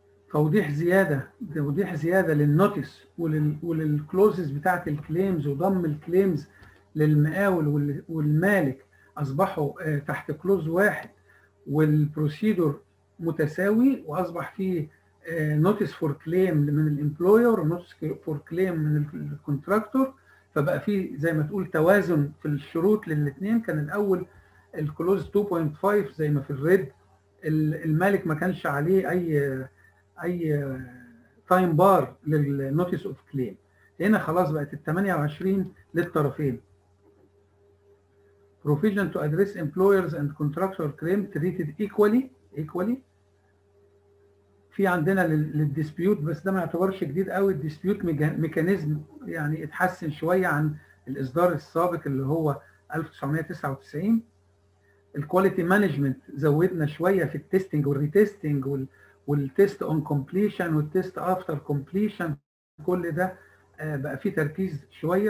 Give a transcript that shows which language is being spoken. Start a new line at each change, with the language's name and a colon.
Arabic: توضيح زياده، توضيح زياده للنوتس وللكلوزز بتاعت الكليمز، وضم الكليمز للمقاول والمالك اصبحوا تحت كلوز واحد، والبروسيدور متساوي، واصبح فيه نوتس فور كليم من الامبلوير ونوتس فور كليم من الكونتراكتور، فبقى فيه زي ما تقول توازن في الشروط للاثنين. كان الاول الكلوز 2.5 زي ما في الريد، المالك ما كانش عليه اي تايم بار للنوتيس اوف كليم. هنا خلاص بقت ال 28 للطرفين.
English: Provision to address employers and contractor claim treated equally.
Arabic: في عندنا للديسبيوت، بس ده ما يعتبرش جديد قوي، الديسبيوت ميكانيزم يعني اتحسن شويه عن الاصدار السابق اللي هو 1999. الكواليتي مانجمنت زودنا شويه في التستنج والريتستنج والتست اون كومبليشن والتست افتر كومبليشن، كل ده بقى فيه تركيز شويه.